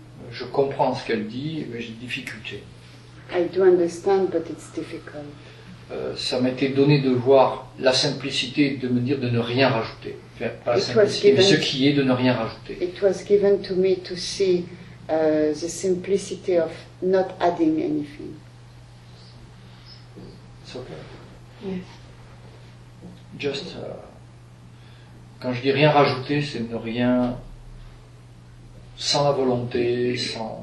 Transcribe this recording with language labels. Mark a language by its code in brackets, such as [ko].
[fr] Je comprends ce qu'elle dit, mais j'ai des difficultés. [en] I do understand, but it's difficult. [fr] Ça m'était donné de voir la simplicité de me dire de ne rien rajouter. Ce qui est de ne rien rajouter. [en] It was given to me to see the simplicity of not adding anything. It's okay. Yes. [fr] Just quand je dis rien rajouter, c'est ne rien sans la volonté, sans